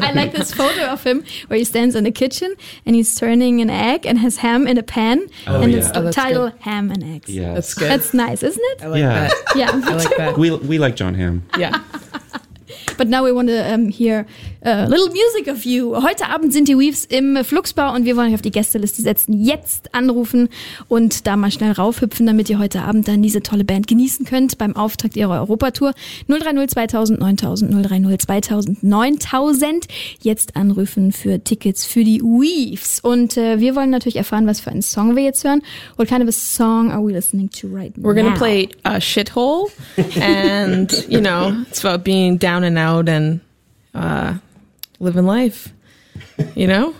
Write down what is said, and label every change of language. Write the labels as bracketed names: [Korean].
[English] I like this photo of him where he stands in the kitchen and he's turning an egg and has ham in a pan. Oh, and yeah. It's the title, good. Ham and Eggs. Yeah. That's good. That's nice, isn't it? I like that. Yeah. I like that. We like John Ham. Yeah. But now we want to hear a little music of you. [German] Heute Abend sind die Weaves im Fluxbau und wir wollen euch auf die Gästeliste setzen. Jetzt anrufen und da mal schnell raufhüpfen, damit ihr heute Abend dann diese tolle Band genießen könnt beim Auftakt ihrer Europatour. 030-2000-9000. Jetzt anrufen für Tickets für die Weaves. Und wir wollen natürlich erfahren, was für einen Song wir jetzt hören. [English] What kind of a song are we listening to right now? We're gonna play a Shithole and, you know, it's about being down and out and living life, you know?